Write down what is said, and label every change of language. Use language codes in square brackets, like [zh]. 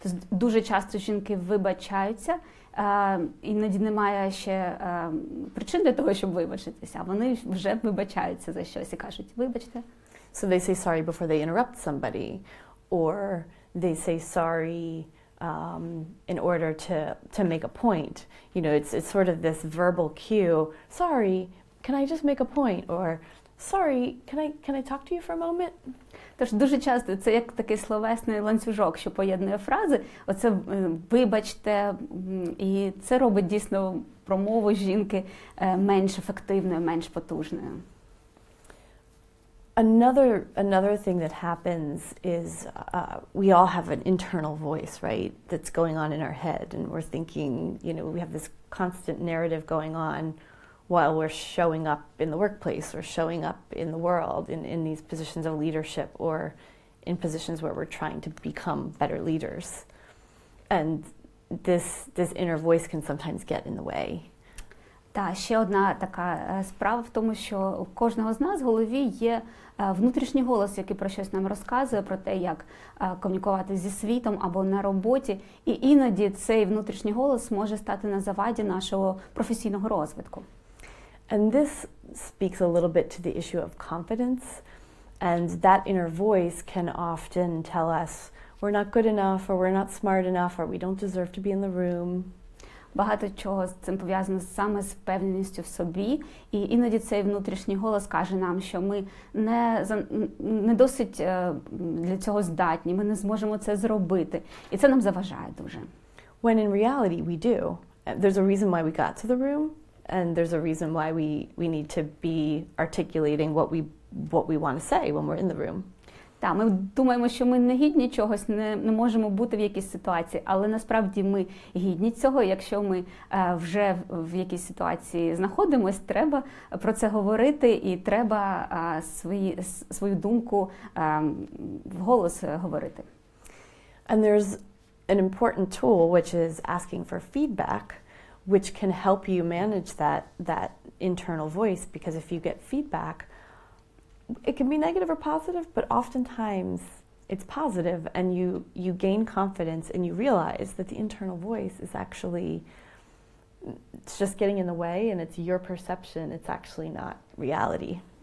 [uk] Дуже часто жінки вибачаються, іноді немає ще причин для того, щоб вибачитися. Вони вже вибачаються за щось і кажуть, вибачте. [en] So they say sorry before they interrupt somebody, or they say sorry in order to make a point. You know, it's sort of this verbal cue, sorry, can I just make a point? Or, Sorry, can I talk to you for a moment? [uk] Тож дуже часто це як такий словесний ланцюжок, що поєднує фрази. Оце вибачте, і це робить дійсно промову жінки менш ефективною, менш потужною. [en] Another thing that happens is we all have an internal voice, right? That's going on in our head, and we're thinking, you know, we have this constant narrative going on while we're showing up in the workplace or showing up in the world in these positions of leadership or in positions where we're trying to become better leaders. And this inner voice can sometimes get in the way. [uk] Та ще одна така справа в тому, що у кожного з нас в голові є внутрішній голос, який про щось нам розказує, про те, як комунікувати зі світом або на роботі. І іноді цей внутрішній голос може стати на заваді нашого професійного розвитку. [en] And this speaks a little bit to the issue of confidence. And that inner voice can often tell us we're not good enough, or we're not smart enough, or we don't deserve to be in the room. [uk] Багато чого з цим пов'язано саме з впевненістю в собі. І іноді цей внутрішній голос каже нам, що ми не досить для цього здатні, ми не зможемо це зробити. І це нам заважає дуже. [en] When in reality we do. There's a reason why we got to the room, and there's a reason why we need to be articulating what we want to say when we're in the room. [uk] Так, ми думаємо, що ми не гідні чогось, не можемо бути в якійсь ситуації, але насправді ми гідні цього, якщо ми вже в якійсь ситуації знаходимось, треба про це говорити і треба свою думку в голос говорити. [en] And there's an important tool, which is asking for feedback, which can help you manage that internal voice, because if you get feedback, it can be negative or positive, but oftentimes it's positive, and you gain confidence and you realize that the internal voice is actually, it's just getting in the way, and it's your perception, it's actually not reality.